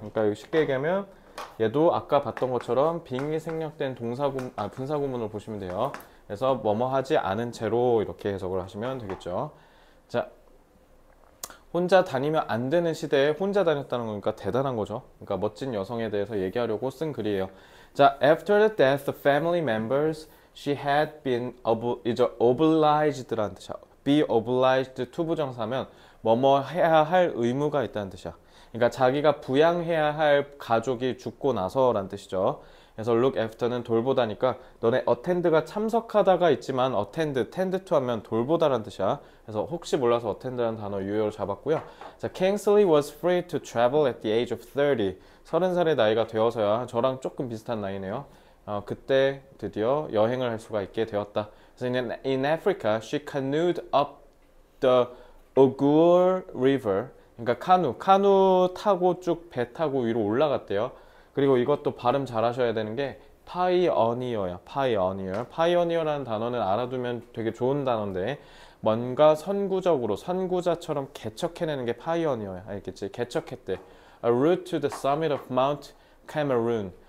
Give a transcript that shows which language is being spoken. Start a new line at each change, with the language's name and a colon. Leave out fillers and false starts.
Korean: 그러니까 쉽게 얘기하면 얘도 아까 봤던 것처럼 빙의 생략된 분사구문으로 보시면 돼요. 그래서 뭐뭐하지 않은 채로 이렇게 해석을 하시면 되겠죠. 자, 혼자 다니면 안 되는 시대에 혼자 다녔다는 거니까 대단한 거죠. 그러니까 멋진 여성에 대해서 얘기하려고 쓴 글이에요.
English: 자, after the death of family members, she had been obliged라는 뜻이야. Be obliged to
Korean: 부정사면 뭐뭐 해야 할 의무가 있다는 뜻이야. 그러니까 자기가 부양해야 할 가족이 죽고 나서란 뜻이죠. 그래서 look after는 돌보다니까 너네 attend가 참석하다가 있지만 attend, tend to 하면 돌보다란 뜻이야. 그래서 혹시 몰라서 attend라는 단어 유효로 잡았고요.
English: 자, Kingsley was free to travel at the age of 30.
Korean: 30살의 나이가 되어서야 저랑 조금 비슷한 나이네요. 그때 드디어 여행을 할 수가 있게 되었다.
English: 그래서 in Africa, she canoed up the Ogur River.
Korean: 그러니까 카누 타고 쭉배 타고 위로 올라갔대요. 그리고 이것도 발음 잘 하셔야 되는 게 파이어니어야. 파이어니어. 파이어니어라는 단어는 알아두면 되게 좋은 단어인데 뭔가 선구적으로 선구자처럼 개척해내는 게 파이어니어야. 알겠지? 개척했대.
English: A route to the summit of Mount Cameroon.